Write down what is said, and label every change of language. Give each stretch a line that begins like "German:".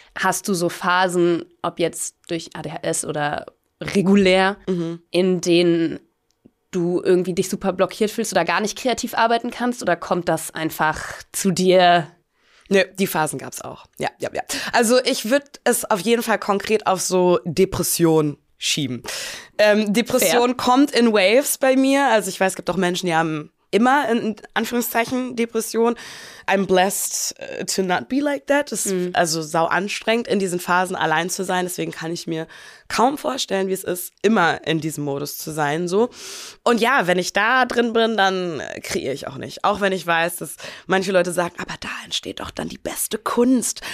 German: Hast du so Phasen, ob jetzt durch ADHS oder regulär, in denen du irgendwie dich super blockiert fühlst oder gar nicht kreativ arbeiten kannst? Oder kommt das einfach zu dir? Nö, die Phasen gab's auch. Ja, ja, ja. Also ich würde es auf jeden Fall konkret auf so Depression schieben. Depression Fair. Kommt in Waves bei mir. Also ich weiß, es gibt auch Menschen, die haben immer in Anführungszeichen Depression.
English: I'm blessed to not be like that.
German: Das ist also sau anstrengend, in diesen Phasen allein zu sein. Deswegen kann ich mir kaum vorstellen, wie es ist, immer in diesem Modus zu sein. So. Und ja, wenn ich da drin bin, dann kreiere ich auch nicht. Auch wenn ich weiß, dass manche Leute sagen, aber da entsteht doch dann die beste Kunst.